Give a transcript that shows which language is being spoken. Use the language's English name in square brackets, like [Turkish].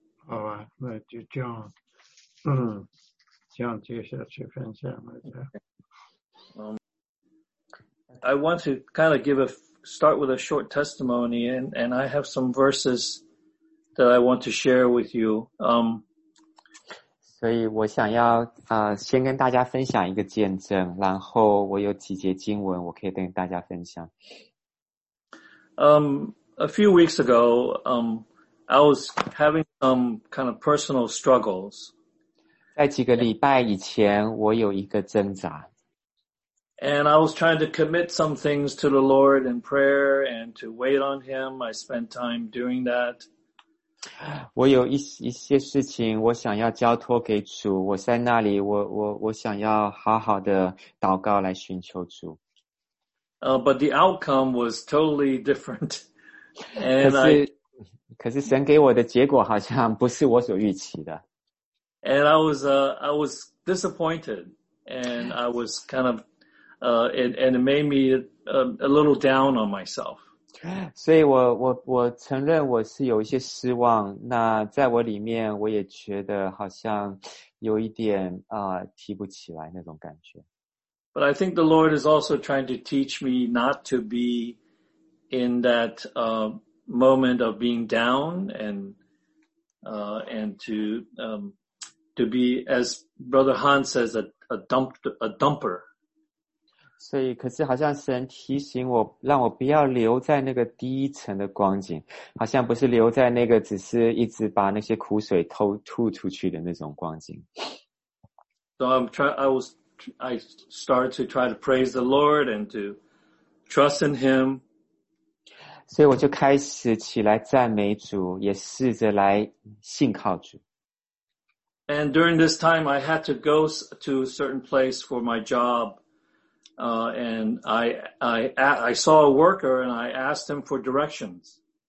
[English] All right, let you, John. John, do you have your friends here? I want to kind of start with a short testimony, and I have some verses that I want to share with you. [Chinese] 所以我想要先跟大家分享一个见证，然后我有几节经文我可以跟大家分享。 [English] A few weeks ago, I was having some kind of personal struggles. [Chinese] 在几个礼拜以前，我有一个挣扎。 [English] And I was trying to commit some things to the Lord in prayer and to wait on Him. I spent time doing that. [Chinese] 我有一些事情我想要交托给主，我在那里我想要好好的祷告来寻求主。 [English] But the outcome was totally different. [Chinese] 可是神给我的结果好像不是我所预期的。 [English] And I was disappointed, and I was kind of and it made me a little down on myself. [Chinese] 所以我承认我是有一些失望，那在我里面我也觉得好像有一点提不起来那种感觉。 [English] But I think the Lord is also trying to teach me not to be in that moment of being down, and to be, as Brother Han says, a dumper. [Chinese] 所以可是好像神提醒我，让我不要留在那个第一层的光景，好像不是留在那个只是一直把那些苦水吐出去的那种光景。 [English] So I started to try to praise the Lord and to trust in Him. [Chinese] 所以我就开始起来赞美主，也试着来信靠主。 [English] And during this time, I had to go to a certain place for my job. And I saw a worker and I asked him for directions.